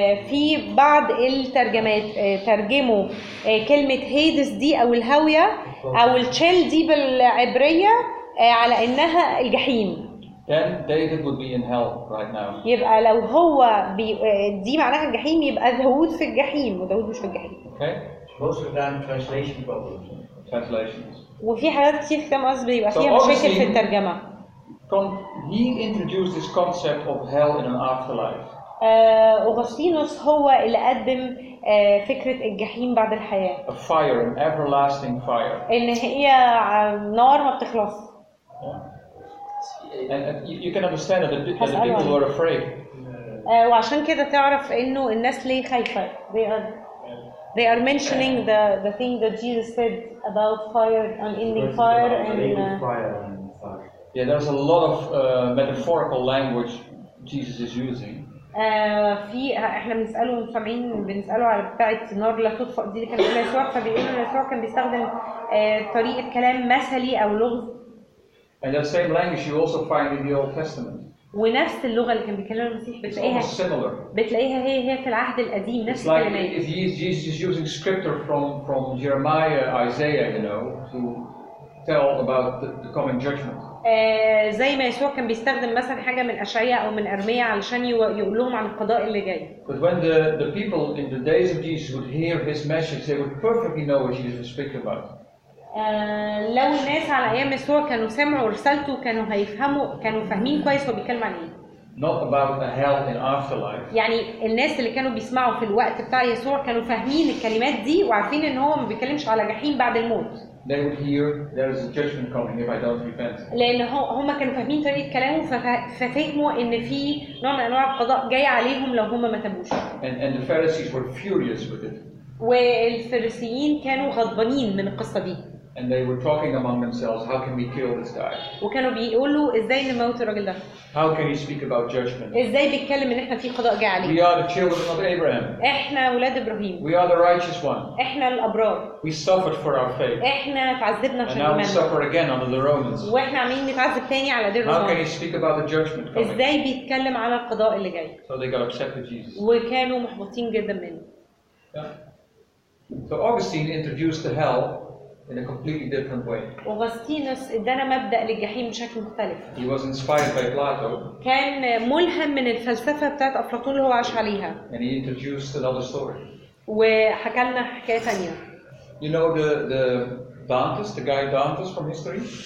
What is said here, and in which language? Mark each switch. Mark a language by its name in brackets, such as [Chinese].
[Arabic] في بعض الترجمات ترجموا كلمة هيدس دي أو الهاوية أو التشيل دي بالعبرية على إنها الجحيم. [English] Yeah. then David would be in hell right now. [Arabic] يبقى لو هو دي معناها الجحيم يبقى داود في الجحيم وداود مش في الجحيم. [English] Okay. Most of them translation problems. Translations. [Arabic] وفي حاجات كتير كم قصد بيبقى فيها مشاكل في الترجمة. [English] He introduced this concept of hell in an afterlife. [Arabic] أغسطينوس هو اللي قدم فكرة الجحيم بعد الحياة. [English] A fire, an everlasting fire. [Arabic] إن هي نار ما بتخلص. [English] You can understand that the people were afraid. [Arabic] وعشان كده تعرف إنه الناس ليه خايفة. [English] They are mentioning the thing that Jesus said about fire, unending fire, and yeah, there's a lot of metaphorical language Jesus is using. [Arabic] في احنا بنسأله مسامعين بنسأله على بتاعة نار لا تطفأ دي كان اسمها يسوع فبيقول ان يسوع كان بيستخدم طريقة كلام مثلي او لغز. [English] And the same language you also find in the Old Testament. [Arabic] ونفس اللغة اللي كان بيكلمها المسيح بتلاقيها هي في العهد القديم نفس الكلمات. [English] It's like if Jesus is using scripture from Jeremiah, Isaiah, you know, to tell about the coming judgment. [Arabic] زي ما يسوع كان بيستخدم مثلا حاجة من أشعياء أو من أرميا علشان يقول لهم عن القضاء اللي جاي. [English] But when the people in the days of Jesus would hear his message, they would perfectly know what Jesus was speaking about. [Arabic] لو الناس على أيام يسوع كانوا سمعوا رسالته كانوا هيفهموا كانوا فاهمين كويس هو بيتكلم عن إيه. [English] Not about the hell in afterlife. [Arabic] يعني الناس اللي كانوا بيسمعوا في الوقت بتاع يسوع كانوا فاهمين الكلمات دي وعارفين إن هو ما بيتكلمش على جحيم بعد الموت. [English] They would hear there is a judgment coming if I don't repent. [Arabic] لأن هم كانوا فاهمين طريقة كلامه ففهموا إن في نوع من أنواع القضاء جاي عليهم لو هم ما تابوش. [English] And the Pharisees were furious with it. [Arabic] والفريسيين كانوا غضبانين من القصة دي. [English] And they were talking among themselves, how can we kill this guy? [Arabic] وكانوا بيقولوا إزاي نموت الرجل ده. [English] How can he speak about judgment? [Arabic] إزاي بيتكلم إن إحنا في قضاء جاي عليه. [English] We are the children of Abraham. [Arabic] إحنا ولاد إبراهيم. [English] We are the righteous one. [Arabic] إحنا الأبرار. [English] We suffered for our faith. [Arabic] إحنا تعذبنا عشان إيماننا. [English] And now we suffer again under the Romans. [Arabic] وإحنا عمالين نتعذب تاني على إيد الرومان. [English] How can he speak about the judgment coming? [Arabic] إزاي بيتكلم على القضاء اللي جاي. [English] So they got upset with Jesus. [Arabic] وكانوا محبطين جدا منه. [English] So Augustine introduced the hell in a completely different way. [Arabic] أغسطينوس ادانا مبدأ للجحيم بشكل مختلف. [English] He was inspired by Plato. [Arabic] كان ملهم من الفلسفة بتاعت أفلاطون اللي هو عاش عليها. [English] And he introduced another story. [Arabic] وحكى لنا حكاية ثانية. [English] You know the Dantes, the guy Dantes from history?